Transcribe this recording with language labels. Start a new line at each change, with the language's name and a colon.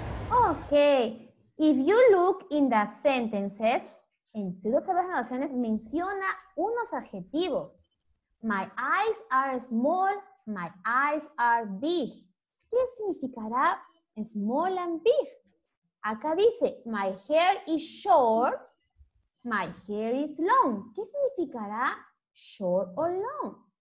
English: Okay. If you look in the sentences,
Spanish: en sus observaciones menciona unos adjetivos.
English: My eyes are small. My eyes are big.
Spanish: ¿Qué significará small and big? Acá dice,
English: my hair is short, my hair is long.
Spanish: ¿Qué significará short or long?